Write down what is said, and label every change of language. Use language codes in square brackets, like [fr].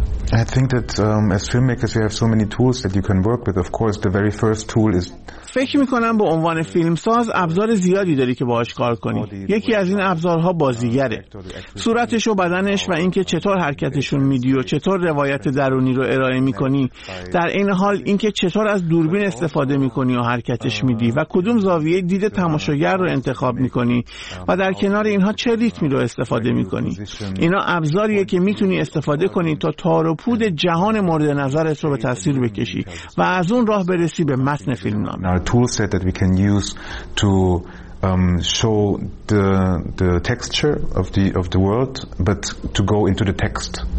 [en] I think that as filmmakers you have so many tools that you can work with. Of course the very first tool is [fa] فکر میکنم به عنوان فیلمساز ابزار زیادی داری که باهاش کار کنی. یکی از این ابزارها بازیگره. صورتش و بدنش و اینکه چطور حرکتشون میدی و چطور روایت درونی رو ارائه میکنی، در این حال اینکه چطور از دوربین استفاده میکنی و حرکتش میدی و کدوم زاویه دید تماشاگر رو انتخاب میکنی و در کنار اینها چه ریتمی رو استفاده میکنی. اینا ابزاریه که میتونی استفاده کنی تا تار و پود جهان مورد نظرت رو به تصویر بکشی و از اون راه برسی به متن فیلمنامه. [en] Our tool set that we can use to show the texture of the world but to go into the text.